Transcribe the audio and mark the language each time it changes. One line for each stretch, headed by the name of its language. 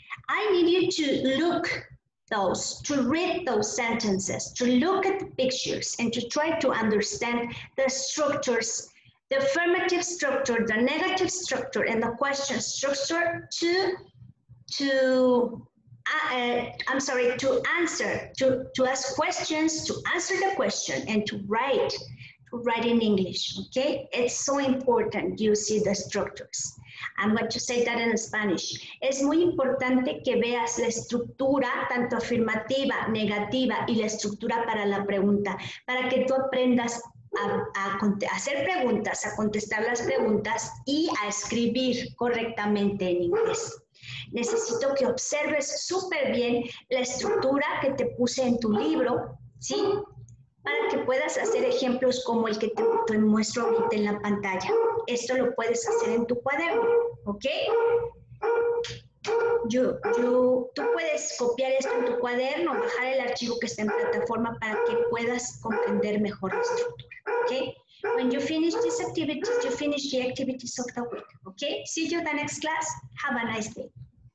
English: I need you to look those, to read those sentences, to look at the pictures and to try to understand the structures, the affirmative structure, the negative structure, and the question structure to ask questions, to answer the question, and to write in English, okay? It's so important you see the structures. I'm going to say that in Spanish.
Spanish: Es muy importante que veas la estructura, tanto afirmativa, negativa, y la estructura para la pregunta, para que tú aprendas a hacer preguntas, a contestar las preguntas y a escribir correctamente en inglés. Necesito que observes súper bien la estructura que te puse en tu libro, ¿sí? Para que puedas hacer ejemplos como el que te muestro ahorita en la pantalla. Esto lo puedes hacer en tu cuaderno, ¿ok? Tú puedes copiar esto en tu cuaderno, bajar el archivo que está en plataforma para que puedas comprender mejor la estructura, ¿ok?
English: When you finish these activities, you finish the activities of the week, ¿ok? See you in the next class. Have a nice day.